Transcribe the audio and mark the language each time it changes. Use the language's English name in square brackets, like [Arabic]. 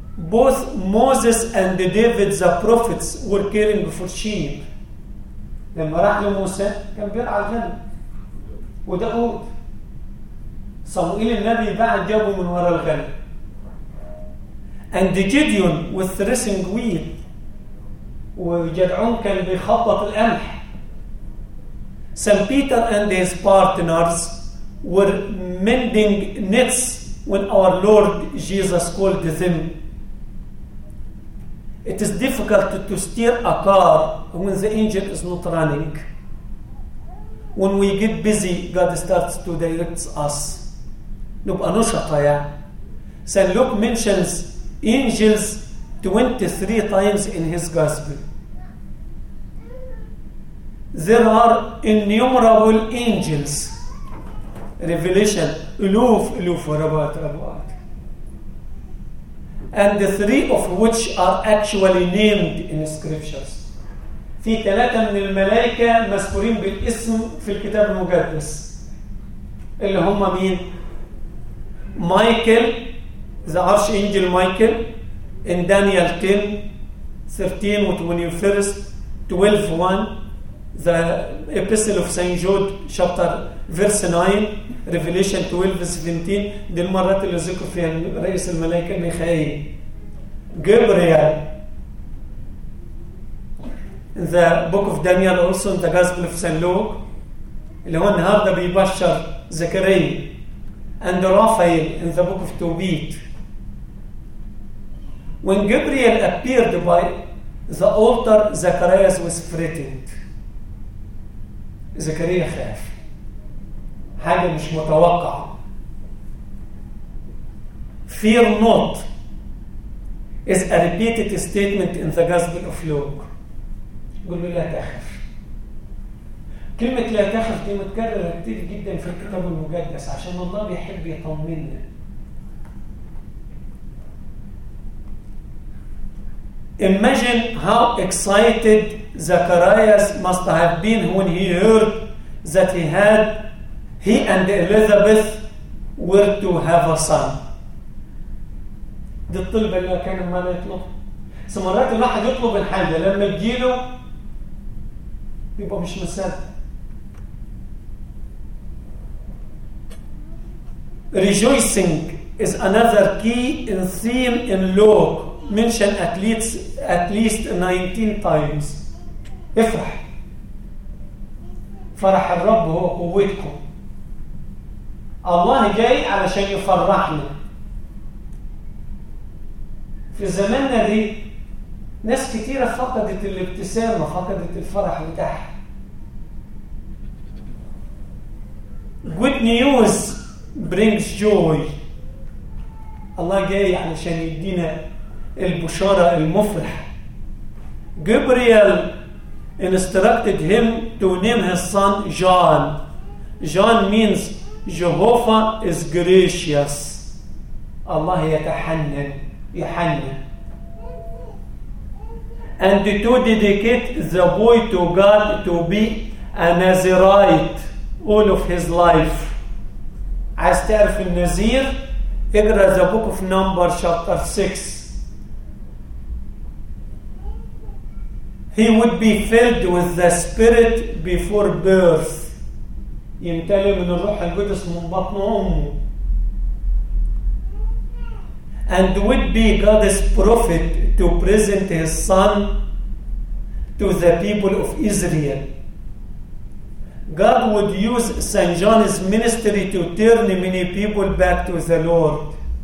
[English] Both Moses and David the prophets were caring for sheep. [Arabic] لما راح لموسى كان بيرعى الغنم. وداود صموئيل النبي بعد جابه من وراء الغنم. [English] And Gideon was threshing wheat. [Arabic] وجدعون كان بيخبط القمح. [English] Saint Peter and his partners were mending nets when our Lord Jesus called them. It is difficult to steer a car when the engine is not running. When we get busy, God starts to direct us. [Arabic] نبقى نشطة يا. [English] Saint Luke mentions angels 23 times in his gospel. There are innumerable angels. [Arabic] Revelation, ألوف ألوف وربات ربات. [English] And the three of which are actually named in scriptures. [Arabic] في ثلاثة من الملائكة مذكورين بالاسم في الكتاب المقدس. اللي هم مين؟ مايكل، [English] the arch angel Michael, in Daniel 10, 13 و 21, 12, 1. The Epistle of St. Jude chapter verse 9 Revelation 12:17. [Arabic] دي المرات اللي ذكر فيها رئيس الملائكة ميخائيل. [English] Gabriel in the book of Daniel also in the Gospel of St. [Arabic] Luke اللي هو النهاردة بيبشر زكريا. [English] And Raphael in the book of Tobit. When Gabriel appeared by the altar Zacharias was frightened. [Arabic] زكريا خاف. حاجة مش متوقعة. [English] Fear not is a repeated statement in the Gospel of Luke. [Arabic] قل له لا تخف. كلمة لا تخف دي متكررة كتير جدا في الكتاب المقدس عشان الله بيحب يطمننا. [English] Imagine how excited Zacharias must have been when he heard that he had he and Elizabeth were to have a son. [Arabic] دي الطلبة اللي كان عمال يطلب. سمرات الواحد يطلب الحاجة لما تجيله يبقى مش مصدق. [English] Rejoicing is another key in theme in Luke, mentioned at least 19 times. [Arabic] افرح. فرح الرب هو قوتكم. الله جاي علشان يفرحنا. في زماننا دي ناس كتيرة فقدت الابتسامة، فقدت الفرح بتاعها. [English] Good news brings joy. [Arabic] الله جاي علشان يدينا البشارة المفرحة. [English] Gabriel instructed him to name his son John. John means Jehovah is gracious. [Arabic] الله يتحنن، يحنن. [English] And to dedicate the boy to God to be a Nazirite all of his life. [Arabic] عايز تعرف النذير؟ اقرأ [English] the book of Numbers chapter 6. He would be filled with the Spirit before birth. [Arabic] يمتلئ من الروح القدس من بطن أمه. [English] And would be God's prophet to present his son to the people of Israel. God would use St. John's ministry to turn many people back to the Lord.